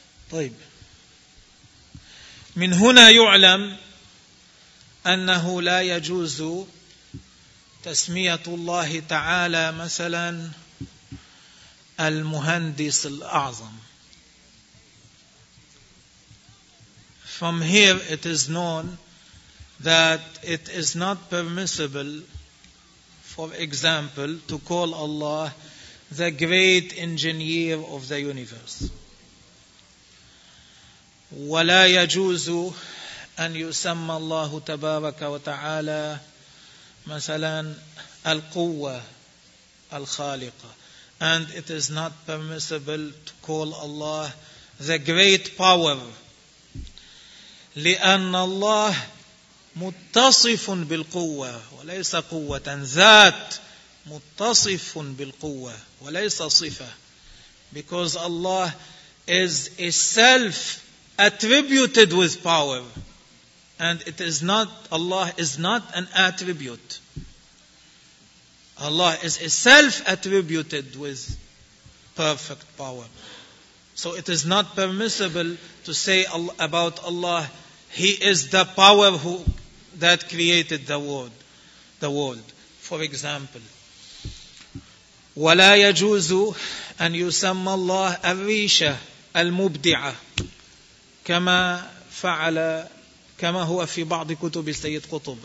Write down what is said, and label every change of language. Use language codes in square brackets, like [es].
[ar] طيب, من هنا يعلم أنه لا يجوز تسمية الله تعالى مثلا المهندس الأعظم. [en] From here it is known that it is not permissible, for example, to call Allah the great engineer of the universe. [ar] ولا يجوز أن يسمى الله تبارك وتعالى مثلا القوة الخالقة. [en] And it is not permissible to call Allah the great power. [ar] لأن الله متصف بالقوة وليس قوة, ذات متصف بالقوة وليس صفة. [en] Because Allah is a self attributed with power, and it is not, Allah is not an attribute. Allah is a self attributed with perfect power. So it is not permissible to say about Allah, He is the power who that created the world. For example, [ar] ولا يجوز أن يسمى الله الريشة المبدعة كما فعل كما هو في بعض كتب السيد قطب.